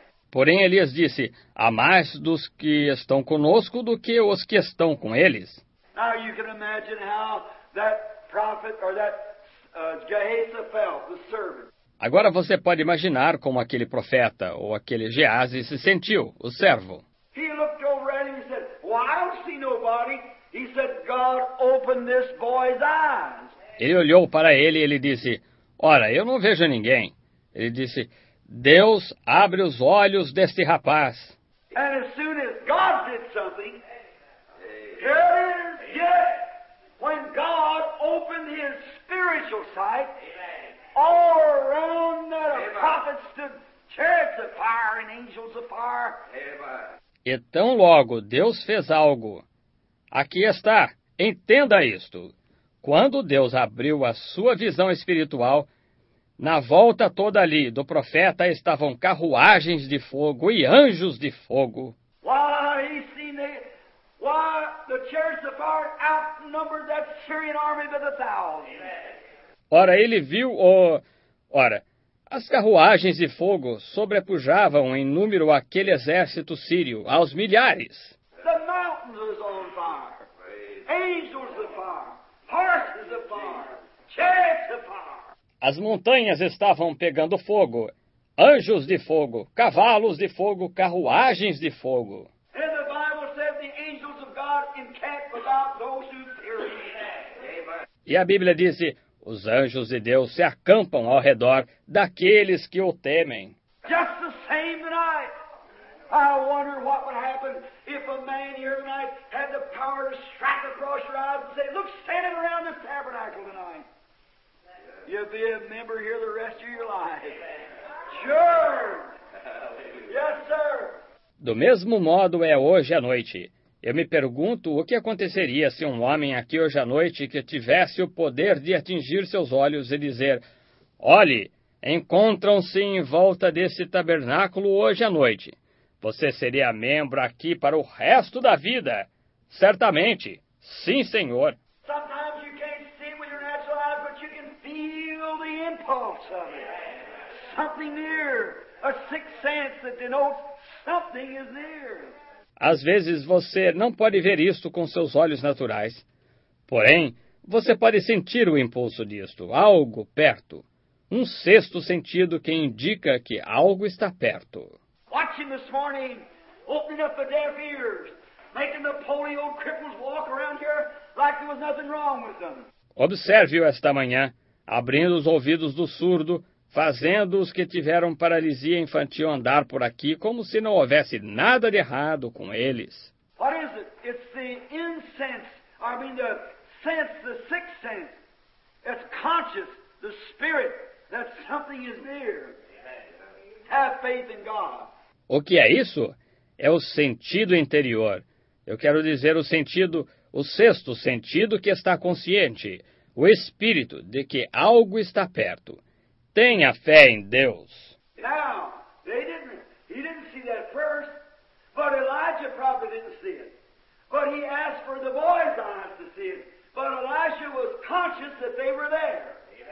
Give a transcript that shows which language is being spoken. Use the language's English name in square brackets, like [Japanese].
[Portuguese] Porém, Elias disse, há mais dos que estão conosco do que os que estão com eles. Agora você pode imaginar como... [English] That prophet or that Jehoshaphat, the servant. [Portuguese] Agora você pode imaginar como aquele profeta ou aquele Geazi se sentiu, o servo. [English] He looked over at him and said, "Well, I don't see nobody." He said, "God, open this boy's eyes." [Portuguese] Ele olhou para ele e ele disse, "Ora, eu não vejo ninguém." Ele disse, Deus abre os olhos deste rapaz. [English] And as soon as God did something, there it is yet. When God opened his spiritual sight, all around the prophet stood chariots of fire and angels of fire. [Portuguese] E tão logo Deus fez algo. Aqui está, entenda isto. Quando Deus abriu a sua visão espiritual, na volta toda ali do profeta estavam carruagens de fogo e anjos de fogo. [English] Why, he seen the, why, the chariots of fire outnumbered that Syrian army by the thousands. [Portuguese] Ora, ele viu o... Ora, as carruagens de fogo sobrepujavam em número aquele exército sírio, aos milhares. [English] The mountains was on fire. Angels of fire. Horses of fire. Chariots of fire. [Portuguese] As montanhas estavam pegando fogo, anjos de fogo, cavalos de fogo, carruagens de fogo. [English] And the Bible said the angels of God encamped about those who perish. [Portuguese] E a Bíblia diz: os anjos de Deus se acampam ao redor daqueles que o temem. [English] Just the same tonight, I wonder what would happen if a man here tonight had the power to strike across your eyes and say, look, standing around this tabernacle tonight. You'll be a member here the rest of your life. Sure. Yes, sir. [Portuguese] Do mesmo modo é hoje à noite. Eu me pergunto o que aconteceria se um homem aqui hoje à noite que tivesse o poder de atingir seus olhos e dizer: olhe, encontram-se em volta desse tabernáculo hoje à noite. Você seria membro aqui para o resto da vida. Certamente. Sim, senhor. [English] Sometimes you can't see with your natural eyes, but you can feel the impulse of it. Something near. A sixth sense that denotes something is near. [Portuguese] Às vezes você não pode ver isto com seus olhos naturais. Porém, você pode sentir o impulso disto, algo perto. Um sexto sentido que indica que algo está perto. [English] Watching this morning, opening up the deaf ears, making the polio cripples walk around here like there was nothing wrong with them. [Portuguese] Observe-o esta manhã, abrindo os ouvidos do surdo, fazendo os que tiveram paralisia infantil andar por aqui como se não houvesse nada de errado com eles. [English] What is it? It's the incense, I mean the sense, the sixth sense. It's conscious, the spirit, that something is near. Have faith in God. [Portuguese] O que é isso? É o sentido interior. Eu quero dizer o sentido, o sexto sentido que está consciente, o espírito de que algo está perto. Tenha fé em Deus. [English] Now, he didn't see that first, but Elijah probably didn't see it. But he asked for the boy's eyes to see it. But Elijah was conscious that they were there.